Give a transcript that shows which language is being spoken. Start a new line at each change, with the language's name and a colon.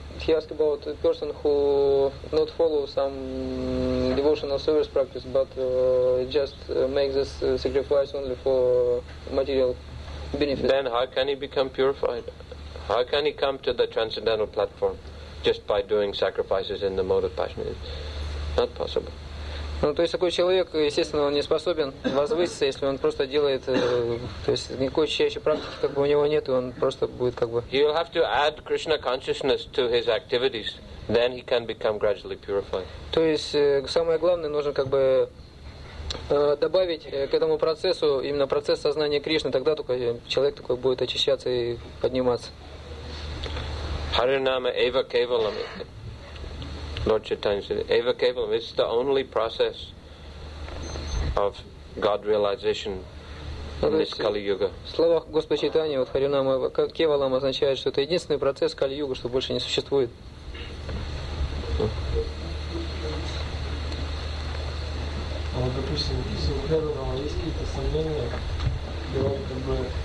English: he asked about a person who not follow some devotional service practice, but just make this sacrifice only for material benefit. Then how can he become purified? How can he come to the transcendental platform just by doing sacrifices in the mode of passion? It's not possible.
Russian: Ну, то есть такой человек, естественно, он не способен возвыситься, если он просто делает, то есть никакой чаще практики как бы у него нет, и он просто будет как бы.
English: He'll have to add Krishna consciousness to his activities, then he can become gradually purified.
Russian: То есть самое главное нужно как бы добавить к этому процессу именно процесс сознания Кришны, тогда только человек такой будет очищаться и подниматься.
Sanskrit: Харинама эва кевалам.
English: Lord Chaitanya said, Eva Kevalam, it's the only process of God realization in this Kali Yuga.
Russian: Слова Господа Чайтаньи, вот Харинама Кевалам, означает, что это единственный процесс Кали Юга, что больше не существует. А вот, допустим, если у преданного есть какие-то сомнения, и он как бы